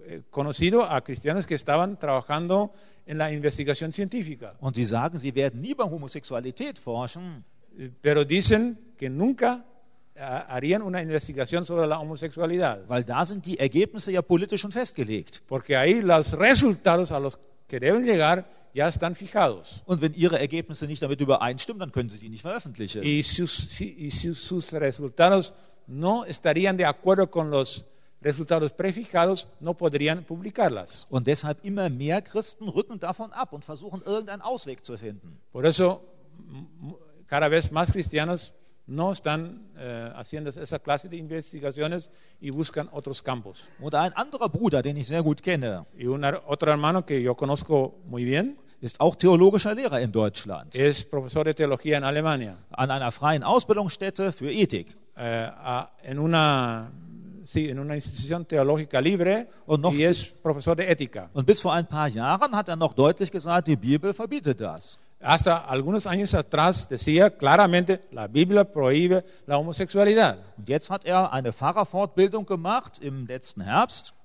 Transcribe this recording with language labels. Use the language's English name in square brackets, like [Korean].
[Spanish] Conocido a cristianos que estaban trabajando en la investigación científica. [German] Und sie sagen, sie werden nie bei Homosexualität forschen. [Spanish] Pero dicen que nunca harían una investigación sobre la homosexualidad. [German] Weil da sind die Ergebnisse ja politisch schon festgelegt. [Spanish] Porque ahí los resultados a los que deben llegar ya están fijados. [German] Und wenn ihre Ergebnisse nicht damit übereinstimmen, dann können sie die nicht veröffentlichen. [Spanish] Y sus resultados no estarían de acuerdo con los resultados prefijados, no podrían publicarlas. [German] Und deshalb immer mehr Christen rücken davon ab und versuchen irgendeinen Ausweg zu finden. [Spanish] Por eso cada vez más cristianos no están haciendo esa clase de investigaciones y buscan otros campos. [German] Oder ein anderer Bruder, den ich sehr gut kenne. [Spanish] Y un otro hermano que yo conozco muy bien. [German] Ist auch theologischer Lehrer in Deutschland. [Spanish] Es profesor de teología en Alemania. [German] An einer freien Ausbildungsstätte für Ethik. [Spanish] En una institución teológica libre y es profesor de ética. [German] Und bis vor ein paar Jahren hat er noch deutlich gesagt, die Bibel verbietet das. [Spanish] Hasta algunos años atrás decía claramente, la Biblia prohíbe la homosexualidad. [German] Und jetzt hat eine Pfarrerfortbildung gemacht im letzten Herbst.